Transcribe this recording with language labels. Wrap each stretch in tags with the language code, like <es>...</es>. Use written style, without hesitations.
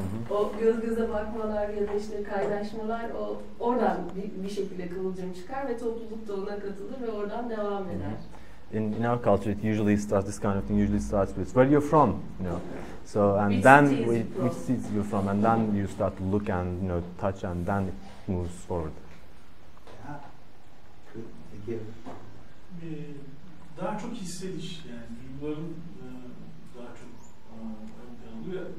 <tr>O göz göze bakmalar ya da işte kaynaşmalar, o oradan bir şekilde kıvılcım çıkar ve topluluk da ona katılır ve oradan devam eder.</tr> <en>In our culture, it usually starts, this kind of thing usually starts with where you're from, you know. So, and which then which city you're from, and then you start to look and, you know, touch, and then it moves forward. Yeah. Good. Thank you.</en> <tr>Daha çok hissediş, yani duyguların daha çok ön planı oluyor.</tr>